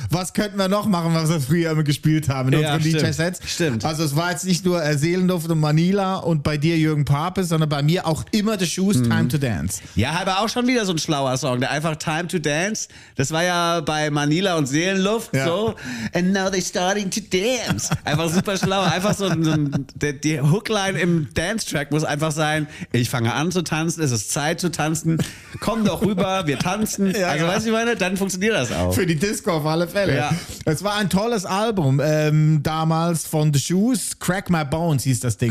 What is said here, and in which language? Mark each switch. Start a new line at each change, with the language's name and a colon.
German: Was könnten wir noch machen, was wir früher immer gespielt haben in unseren DJ-Sets? Stimmt. Also es war jetzt nicht nur Seelenduft und Manila und bei dir Jürgen Pape, sondern bei mir auch immer The Shoes, Time to Dance. Ja, aber auch schon wieder so ein schlauer Song, der einfach Time to Dance, das war ja bei Manila und Seelenluft so.
English: And now they're starting to dance.
German: Einfach super schlau. Einfach so, die Hookline im Dance-Track muss einfach sein, ich fange an zu tanzen, es ist Zeit zu tanzen, komm doch rüber, wir tanzen. Ja, also, was ich meine, dann funktioniert das auch. Für die Disco auf alle Fälle. Ja. Es war ein tolles Album, damals von The Shoes, Crack My Bones hieß das Ding.